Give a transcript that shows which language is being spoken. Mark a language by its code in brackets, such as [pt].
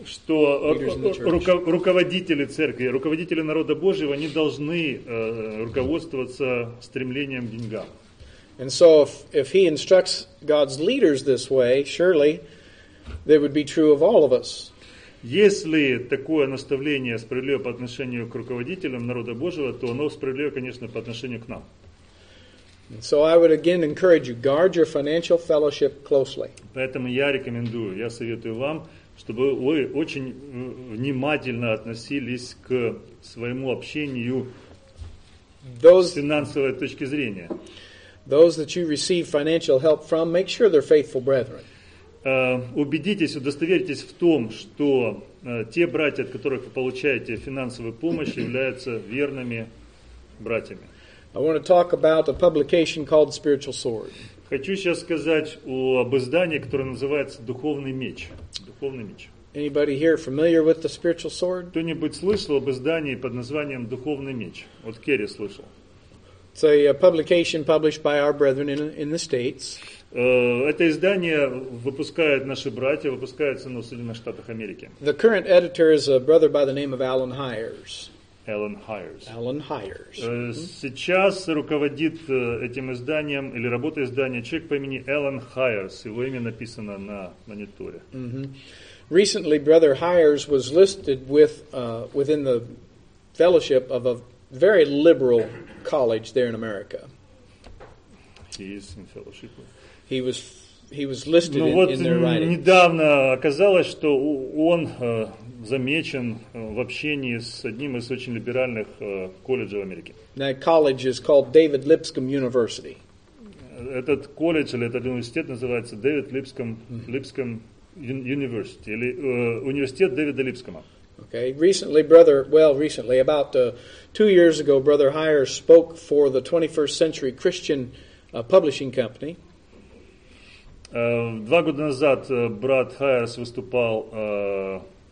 [ru] что руководители церкви, руководители народа Божьего, они должны руководствоваться стремлением к деньгам. [en] And so if he instructs God's leaders this way, surely they would be true of all of us. [ru] Если такое наставление справедливо по отношению к руководителям народа Божьего, то оно справедливо, конечно, по отношению к нам. [en] So I would again encourage you, guard your financial fellowship closely. [ru] Поэтому я советую вам чтобы вы очень внимательно относились к своему общению с финансовой точки зрения. [en] Those that you receive financial help from, make sure they're faithful brethren. [ru] Убедитесь, удостоверьтесь в том, что те братья, от которых вы получаете финансовую помощь, являются верными братьями. [en] I want to talk about a publication called Spiritual Sword. [ru] Хочу сейчас сказать об издании, которое называется «Духовный меч». Духовный меч. [en] Anybody here familiar with the Spiritual Sword? [ru] Кто-нибудь слышал об издании под названием «Духовный меч»? Вот Керри слышал. [en] It's a publication published by our brethren in the States. [ru] Это издание выпускают наши братья, выпускается оно в Соединенных Штатах Америки. [en] The current editor is a brother by the name of Alan Hires. Alan Hires. Alan Hires. [ru] Сейчас руководит этим изданием или работой издания человек по имени Alan Hires. Его имя написано на мониторе. [en] Recently, brother Hires was listed within the fellowship of a very liberal college there in America. He is in fellowship. He was listed in their writings. [ru] Недавно оказалось, что он замечен в общении с одним из очень либеральных колледжей в Америке. [en] That college is called David Lipscomb University. [ru] Этот колледж или этот университет называется David Lipscomb University или университет Дэвида Липскома. [en] Okay. Recently, about 2 years ago, brother Hires spoke for the 21st Century Christian Publishing Company. [ru] Два года назад брат Хайерс выступал